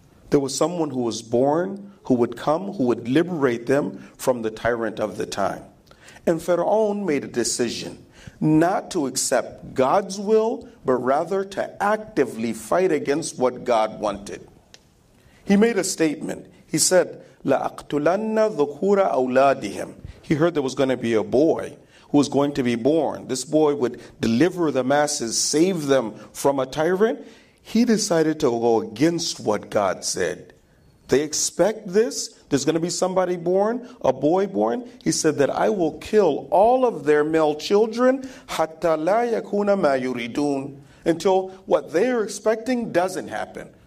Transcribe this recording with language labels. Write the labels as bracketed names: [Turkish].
[English] There was someone who was born, who would come, who would liberate them from the tyrant of the time. And Fir'aun made a decision. not to accept God's will, but rather to actively fight against what God wanted. He made a statement. He said, [Arabic] لَأَقْتُلَنَّ ذُكُورَ أَوْلَادِهِمْ. [English] He heard there was going to be a boy who was going to be born. This boy would deliver the masses, save them from a tyrant. He decided to go against what God said. They expect this. There's going to be somebody born, a boy born. He said that I will kill all of their male children, [Arabic] حَتَّى لَا يَكُونَ مَا يُرِيدُونَ, [English] until what they are expecting doesn't happen.